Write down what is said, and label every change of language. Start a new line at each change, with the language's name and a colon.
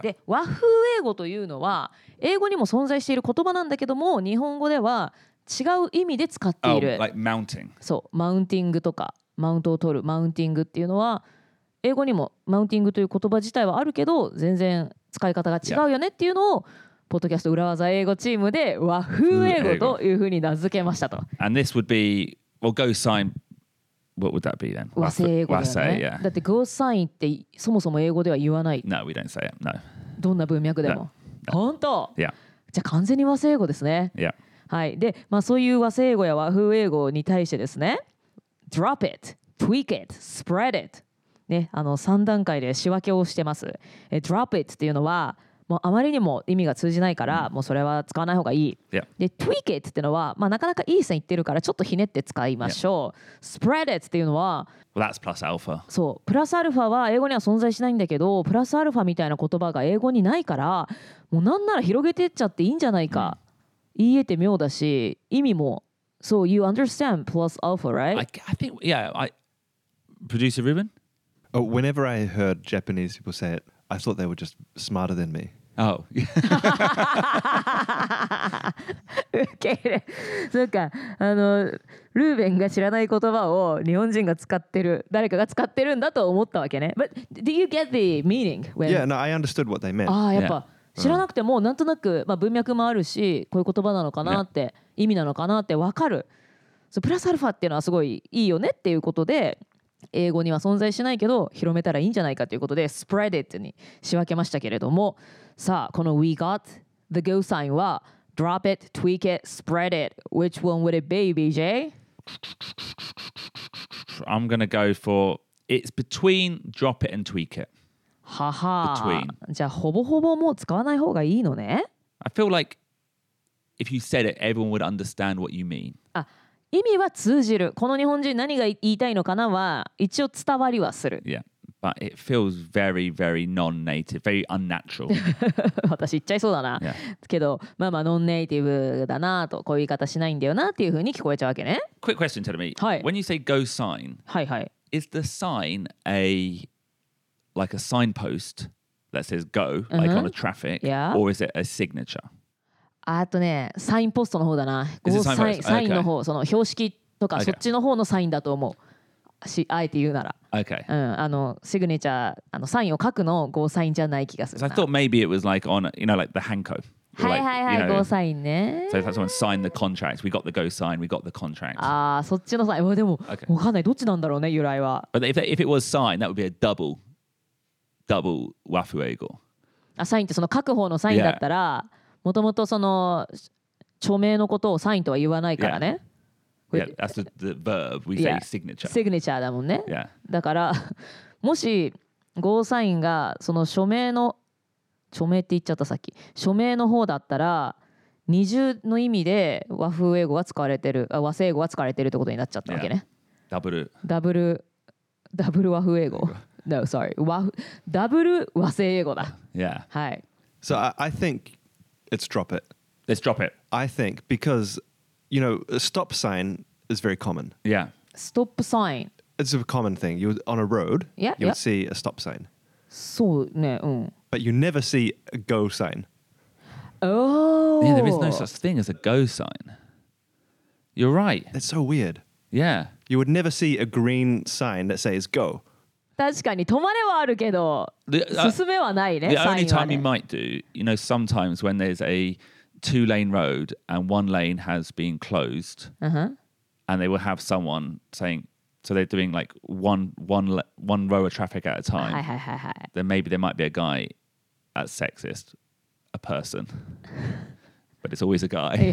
Japanese: で和風英語というのは英語にも存在している言葉なんだけども日本語では違う意味で使っている、
English: oh, like、mounting.
Japanese: そうマウンティングとかマウントを取るマウンティングっていうのは英語にもマウンティングという言葉自体はあるけど全然使い方が違うよねっていうのを、yeah. ポッドキャスト裏技英語チームで和風英語というふうに名付けましたと
English: And this would be well, go signWhat would that be then?
Japanese: 和製英語だよね。和製、yeah. だってゴーサインってそもそも英語では言わない。
English: No, we don't say it. No.
Japanese: どんな文脈でも。
English: No.
Japanese: 本当、
English: yeah.
Japanese: じゃあ完全に和製英語ですね。
English: Yeah.
Japanese: はい。で、まあそういう和製英語や和風英語に対してですね。
English: Drop it, tweak it, spread it。
Japanese: ね、あの3段階で仕分けをしてます。Drop it っていうのは、もうあまりにも意味が通じないから、うん、もうそれは使わない方がいい、
English: yeah.
Japanese: で tweak it ってのは、まあ、なかなかいい線いってるからちょっとひねって使いましょう、yeah. spread it っていうのは、
English: well, that's plus alpha.
Japanese: そうプラスアルファは英語には存在しないんだけどプラスアルファみたいな言葉が英語にないからもうなんなら広げてっちゃっていいんじゃないか、うん、言えて妙だし意味も
English: So you understand plus alpha, right? I think, yeah. Producer Ruben? Oh, whenever I heard Japanese people say it, I thought they were just smarter than me. Oh.
Japanese: Okay. そうか。あの、ルーベンが知らない言葉を日本人が使ってる、誰かが使ってるんだと思ったわけね。
English: But do you get the meaning? Yeah, no, I understood what they meant.
Japanese: ああ、やっぱ。Yeah. 知らなくてもなんとなく、まあ、文脈もあるしこういう言葉なのかなって、yeah. 意味なのかなって分かる。So, プラスアルファっていうのはすごいいいよねっていうことで英語には存在しないけど広めたらいいんじゃないかということで spread it に仕分けましたけれどもさあこの
English: we got the go sign
Japanese: は
English: drop it, tweak it, spread it. Which one would it be, BJ? I'm gonna go for it's between drop it and tweak it.
Japanese: ははじゃあほぼほぼもう使わない方がいいのね
English: I feel like if you said it, everyone would understand what you mean.
Japanese: あ意味は通じる。この日本人何が言いたいのかなは一応伝わりはする。
English: Yeah, but it feels very, very non-native, very unnatural.
Japanese: 私言っちゃいそうだな。
English: Yeah.
Japanese: けど、まあまあ、non-native だなと、こういう言い方しないんだよなっていうふうに聞こえちゃうわけね。
English: Quick question, tell me.
Japanese: はい。
English: When you say go sign,
Japanese: はい、はい、
English: is the sign a... Like a signpost that says go, like、uh-huh. on a traffic,、 yeah. or is it a signature?
Japanese: あとね、サインポストの方だな。サインの方、その標識とか、
English: okay.
Japanese: そっちの方のサインだと思う。しあえて言うなら。
English: Okay.
Japanese: うん、あのシグネチャー、あのサインを書くのゴーサインじゃない気がするな。
English: So I thought maybe it was like on, you know, like the Hanko.
Japanese: はいはいはい、ゴーサインね。
English: So if someone signed the contract, we got the go sign, we got the contract.
Japanese: ああ、そっちのサイン。でも、okay. わかんない。どっちなんだろうね、由来は。
English: But if it was sign, that would be a double. Double wafu ego.
Japanese: サインってその書く方のサインだったら、もともとその署名のことをサインとは言わないからね。
English: Yeah, yeah that's the verb. We say、yeah. signature.
Japanese: Signature だもんね。
English: Yeah.
Japanese: だから、もしゴーサインがその署名の、署名って言っちゃったさっき、署名の方だったら、二重の意味で wafu ego が使われてる、和製語が使われてるってことになっちゃったわけね。ダブル。ダブル、ダブル wafu ego。
English: No, sorry.
Japanese: ダブル和製英語だ。
English: Yeah.
Japanese: はい。
English: So I think it's drop it. Let's drop it. I think because, you know, a stop sign is very common. Yeah. Stop sign. It's a common thing. You're on a road, yeah, you would yeah. see a stop sign.
Japanese: そうね、うん。
English: But you never see a go sign. Oh. Yeah, there is no such thing as a go sign. You're right. That's so weird. Yeah. You would never see a green sign that says go.
Japanese: 確かに止まれはあるけど進めはないね。
English: The only time you might do, you know, sometimes when there's a two-lane road and one lane has been closed,、 uh-huh. and they will have someone saying, so they're doing like one row of traffic at a time.
Japanese: はいはいはい、はい、
English: then maybe there might be a guy that's sexist, a person, but it's always a guy.